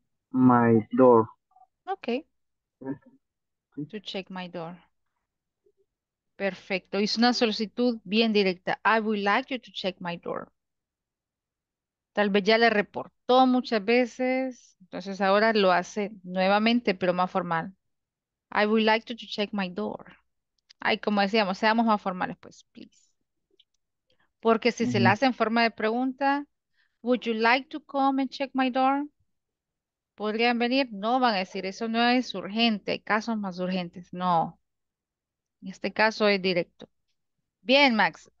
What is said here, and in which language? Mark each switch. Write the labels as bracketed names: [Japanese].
[English] My door. Okay. To check my door. [Spanish] Perfecto. Es una solicitud bien directa. [English] I would like you to check my door. [Spanish] Tal vez ya le reportó muchas veces. Entonces ahora lo hace nuevamente, pero más formal. [English] I would like you to check my door. [Spanish] Ay, como decíamos, seamos más formales, pues, please. Porque si se le hace en forma de pregunta, [English] would you like to come and check my door? [Spanish] ¿Podrían venir? No van a decir, eso no es urgente, hay casos más urgentes. No. En este caso es directo. Bien, Max.